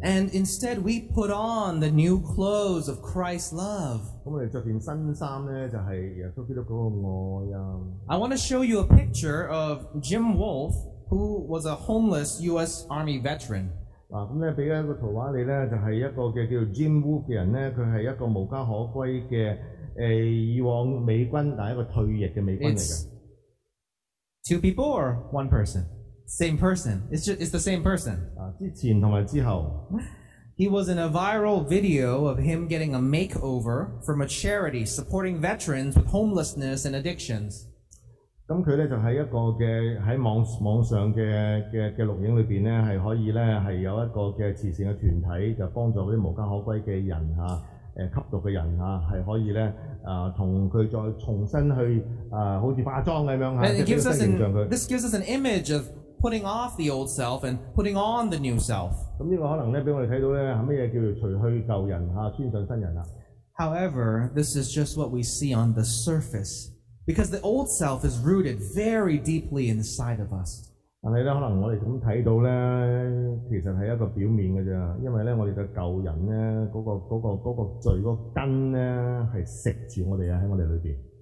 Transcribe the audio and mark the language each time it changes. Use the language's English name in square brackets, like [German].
[English] And instead, we put on the new clothes of Christ's love. [Cantonese] 咁我哋著件新衫咧，就係耶穌基督嗰個愛啊。 [English] I want to show you a picture of Jim Wolfe, who was a homeless U.S. Army veteran. [Cantonese] 嗱，咁咧俾一個圖畫你咧，就係一個嘅叫 Jim Wolfe 嘅人咧，佢係一個無家可歸嘅以往美軍，但係一個退役嘅美軍嚟嘅。 [English] Two people or one person? Same person. It's the same person. [Cantonese] 之前同埋之後 [English] He was in a viral video of him getting a makeover from a charity supporting veterans with homelessness and addictions. [Cantonese] 咁佢咧就喺一個嘅喺網上嘅錄影裏邊咧，係可以咧係有一個嘅慈善嘅團體就幫助啲無家可歸嘅人嚇，吸毒嘅人嚇，係可以咧。同佢再重新去好似化妝咁樣嚇，即係形象佢。 [English] This gives us an image of putting off the old self and putting on the new self. [Cantonese] 咁呢個可能咧，俾我哋睇到咧，係乜嘢叫除去舊人嚇，穿上新人啦。 [English] However, this is just what we see on the surface, because the old self is rooted very deeply inside of us. [Cantonese] 但係咧，可能我哋咁睇到咧，其實係一個表面嘅啫，因為咧，我哋嘅舊人咧，嗰個罪嗰根咧，係食住我哋啊，喺我哋裏邊。